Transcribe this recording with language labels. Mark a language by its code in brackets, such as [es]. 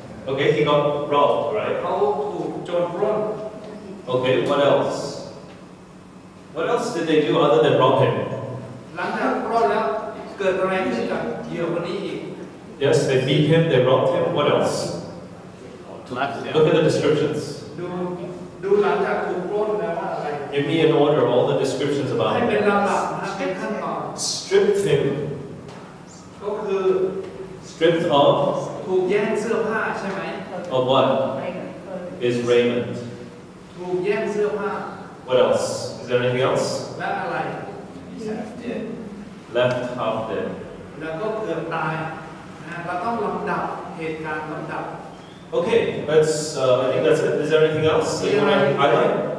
[en] Okay, he got robbed, right? [th] เขาถูกโจรปล้น [en] Okay, what else? What else did they do other than rob him? [th] หลังจากปล้นแล้วเกิดอะไรขึ้นกับเหยื่อคนนี้อีก [en] Yes, they beat him, they robbed him. What else? Look at the descriptions. [th] ดูหลังจากถูกปล้นแล้วอะไร [en] Give me an order of all the descriptions about him. [th] ให้เป็นลำดับให้เป็นขั้นตอน [en] Stripped him. [th] ก็คือ [en] Stripped of. [th] ถูกแย่งเสื้อผ้าใช่ไหม [en] Of what? Is raiment. [th] ถูกแย่งเสื้อผ้า [en] What else? Is there anything else? [th] และอะไร [en] Half dead. Left half dead. [th] แล้วก็เกือบตายนะเราต้องลำดับเหตุการณ์ลำดับ [en] Okay, that's, I think that's it. Is there anything else that you want to highlight?